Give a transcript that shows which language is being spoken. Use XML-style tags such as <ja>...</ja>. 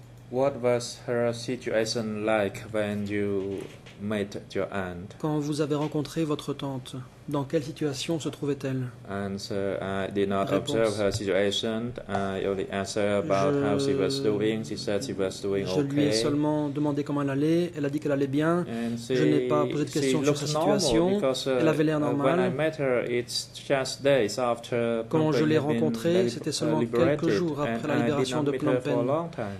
<en>What was her situation like when you met your aunt?</en> <fr>Quand vous avez rencontré votre tante, Dans quelle situation se trouvait-elle?</fr> <en>And so I did not</en> <fr>réponse.</fr> <en>Observe her situation. I only answered about how she was doing. She said she was doing</en> <fr>je</fr> <en>okay.</en> <fr>Je lui ai seulement demandé comment elle allait. Elle a dit qu'elle allait bien.</fr> <en>She,</en> <fr>je n'ai pas posé de questions sur sa situation.</fr> <en>Because,</en> <fr>elle avait l'air normale.</fr> <en>When I met her, it's just days after</en> <fr>quand je l'ai rencontrée, c'était seulement quelques jours après la libération de Phnom Penh.</fr>